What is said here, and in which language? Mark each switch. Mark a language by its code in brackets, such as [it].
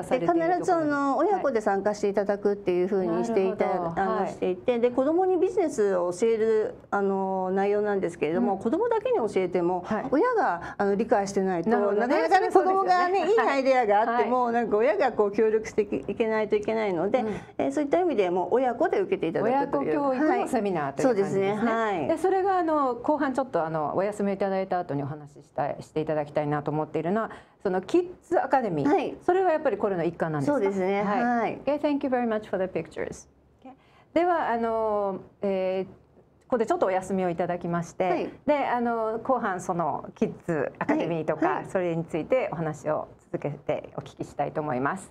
[ja] ところで、そうですね、必ず親子で参加していただくっていう風にしていて、はい、していて、で子供にビジネスを教える内容なんですけれども、うん、子供だけに教えても、はい、親が理解してないと、なかなか、ね、子供が、ね、いいアイデアがあっても、はい、なんか親がこう協力していけないといけないので、うん、そういった意味でもう親子で受けていただくという、教育のセミナーという感じですね。はい、そうですね、はい、でそれが後半ちょっとお休みいただいた後にお話ししたい、していただきたいなと思っているのはそのキッズアカデミー、はい、それはやっぱりこれの一環なんですか。そうですね、はい、はい、 [en] Okay, thank you very much for the pictures、okay. [ja] ではここでちょっとお休みをいただきまして、はい、で後半そのキッズアカデミーとか、はいはい、それについてお話を続けてお聞きしたいと思います、